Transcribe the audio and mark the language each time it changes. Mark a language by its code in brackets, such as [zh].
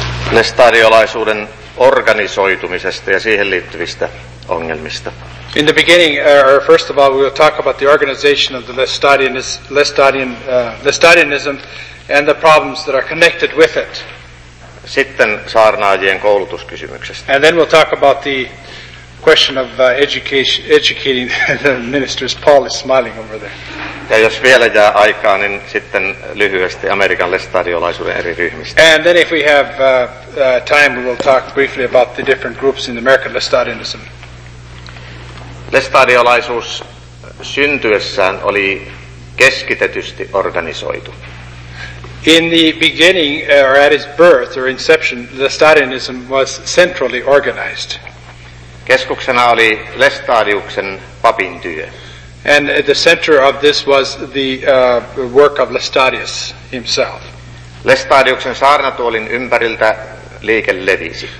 [fi] Lestadiolaisuuden organisoitumisesta ja siihen liittyvistä ongelmista. [en] In the beginning, or first of all, we will talk about the organization of the Lestadianism and the problems that are connected with it. [fi] Sitten saarnaajien koulutuskysymyksestä. [en] And then we'll talk about the question of educating the ministers. Paul is smiling over there. [fi] Ja jos vielä jää aikaa, niin sitten lyhyesti Amerikan lestadiolaisuuden eri ryhmistä. [en] And then if we have time, we will talk briefly about the different groups in American Lestadianism. [fi] Lestadiolaisuus syntyessään oli keskitetysti organisoitu. [en] In the beginning, or at its birth, or inception, Lestadianism was centrally organized. [fi] Keskuksena oli Lestadiuksen papin työ. [en] And the center of this was the work of Lestadius himself. [fi] Lestadiuksen saarnatuolin ympäriltä liike levisi.